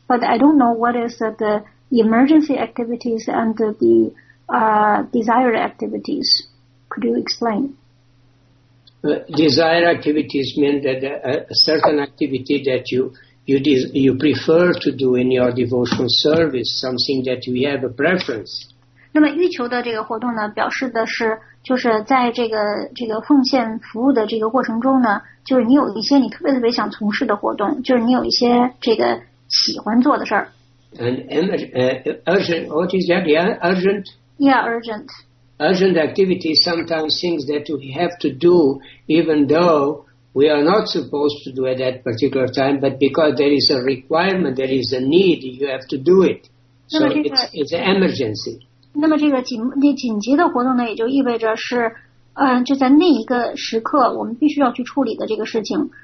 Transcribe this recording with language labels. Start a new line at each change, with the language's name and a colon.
English: But I don't know what is the emergency activities and the desired activities. Could you explain? Desired activities mean that a certain activity that you prefer to do in your devotional service, something that you have a preference.
Chinese: 那么欲求的这个活动呢，表示的是就是在这个奉献服务的这个过程中呢，就是你有一些你特别特别想从事的活动，就是你有一些这个喜欢做的事儿。
English: And urgent, what is that? Urgent activity is sometimes things that we have to do even though we are not supposed to do at that particular time, but because there is a requirement, there is a need, you have to do it. So it's an emergency.
Chinese: 那么这个紧急的活动呢，也就意味着是，就在那一个时刻，我们必须要去处理的这个事情。